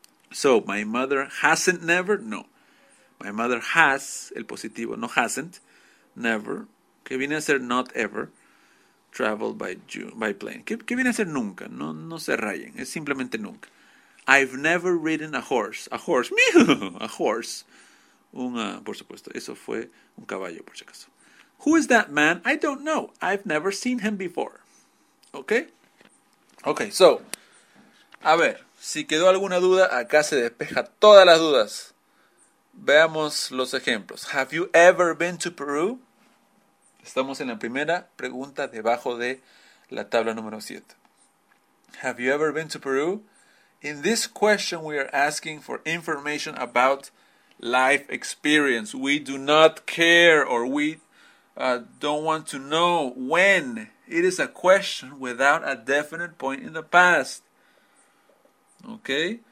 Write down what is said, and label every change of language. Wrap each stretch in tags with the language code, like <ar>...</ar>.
<en>So, my mother hasn't never, no. My mother has,</en> <es>el positivo,</es> <en>no hasn't, never,</en> <es>que viene a ser</es> <en>not ever, traveled by plane.</en> <es>Que viene a ser nunca, no se rayen, es simplemente nunca.</es> <en>I've never ridden a horse, ¡miu!</en> <es>A horse, por supuesto, eso fue un caballo, por si acaso.</es> <en>Who is that man? I don't know, I've never seen him before.</en> <es>Okay, so, a ver, si quedó alguna duda, acá se despeja todas las dudas. Veamos los ejemplos.</es> <en>Have you ever been to Peru?</en> <es>Estamos en la primera pregunta debajo de la tabla número 7.</es> <en>Have you ever been to Peru? In this question, we are asking for information about life experience. We do not care or we don't want to know when. It is a question without a definite point in the past. Okay?</en>